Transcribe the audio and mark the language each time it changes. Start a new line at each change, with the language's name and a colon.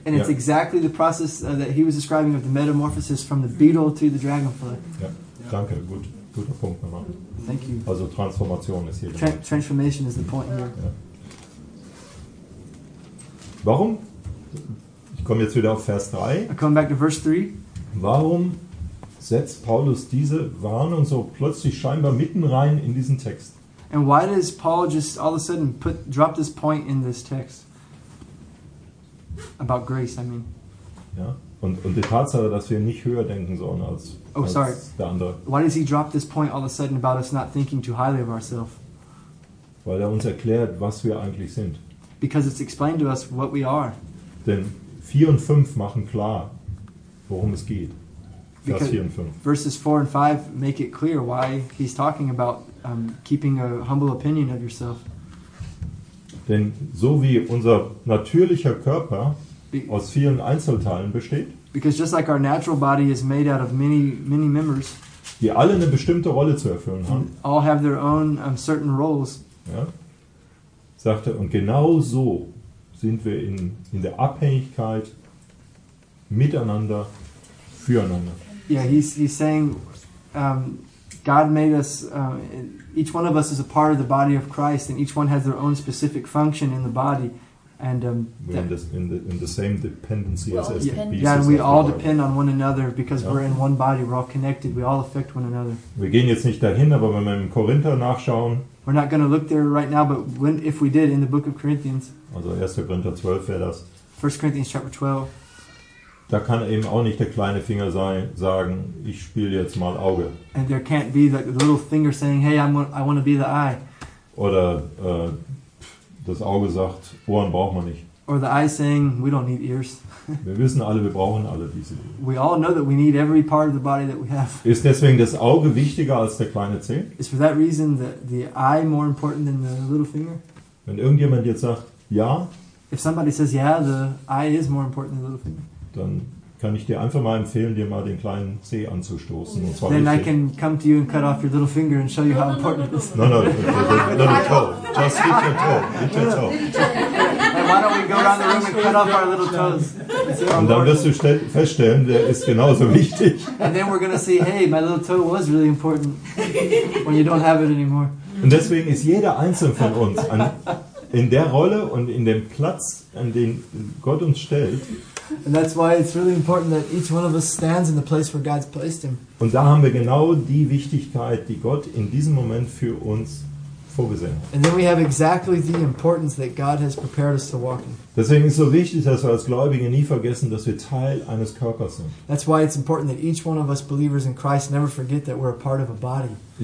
English: And it's exactly the process that he was describing of the metamorphosis from the beetle to the dragonfly.
German: Ja, danke, guter Punkt nochmal.
English: Thank you.
German: Also Transformation ist hier.
English: Transformation is the point here.
German: Yeah. Warum? Ich komme jetzt wieder auf Vers 3.
English: I come back to verse 3.
German: Warum setzt Paulus diese Warnung so plötzlich scheinbar mitten rein in diesen Text?
English: And why does Paul just all of a sudden drop this point in this text? About grace, I mean.
German: Ja, und die Tatsache, dass wir nicht höher denken sollen als, oh, als
English: sorry.
German: Der andere.
English: Why does he drop this point all of a sudden about us not thinking too highly of ourselves?
German: Weil er uns erklärt, was wir eigentlich sind.
English: Because it's explained to us what we are.
German: Denn 4 und 5 machen klar, worum es geht. Vers 4 und 5.
English: Verses 4 and 5 make it clear why he's talking about keeping a humble opinion of yourself.
German: Denn so wie unser natürlicher Körper aus vielen Einzelteilen besteht,
English: because just like our natural body is made out of many, many members,
German: die alle eine bestimmte Rolle zu erfüllen haben,
English: all have their own certain roles,
German: ja, sagt er, und genau so sind wir in der Abhängigkeit miteinander, füreinander.
English: Yeah, he's saying God made us, each one of us is a part of the body of Christ, and each one has their own specific function in the body. And in the same dependency as the pieces. Yeah, and we all depend on one another because we're in one body, we're all connected, we all affect one another.
German: Wir gehen jetzt nicht dahin, aber wenn wir im Korinther nachschauen,
English: we're not going to look there right now, but when, if we did, in the book of Corinthians,
German: also 1. Korinther 12 wäre das.
English: 1. Corinthians chapter 12.
German: Da kann eben auch nicht der kleine Finger sagen, ich spiele jetzt mal Auge.
English: And there can't be the little finger saying, hey, I want to be the eye.
German: Oder das Auge sagt, Ohren braucht man nicht.
English: Or the eye saying, we don't need ears.
German: Wir wissen alle, wir brauchen alle diese.
English: We all know that we need every part of the body that we have.
German: Ist deswegen das Auge wichtiger als der kleine Zeh?
English: Is for that reason the eye more important than the little finger?
German: Wenn irgendjemand jetzt sagt, ja.
English: If somebody says, yeah, the eye is more important than the little finger.
German: Dann kann ich dir einfach mal empfehlen, dir mal den kleinen Zeh anzustoßen. Und zwar
English: then richtig. I can come to you and cut off your little finger and show you how important it is. No, just hit your toe. Why don't we go around the room and cut off our little toes?
German: Und dann wirst du feststellen, der ist genauso wichtig.
English: And then we're gonna see, hey, my little toe was really important when you don't have it anymore.
German: Und deswegen ist jeder Einzelne von uns in der Rolle und in dem Platz, an den Gott uns stellt.
English: And that's why it's really important that each one of us stands in the place where God's placed him.
German: Und da haben wir genau die Wichtigkeit, die Gott in diesem Moment für uns vorgesehen hat.
English: And then we have exactly the importance that God has prepared us to walk in.
German: Deswegen ist so wichtig, dass wir als Gläubige nie vergessen, dass wir Teil eines Körpers sind.
English: That's why it's important that each one of us believers in Christ never forget that we're a part of a body.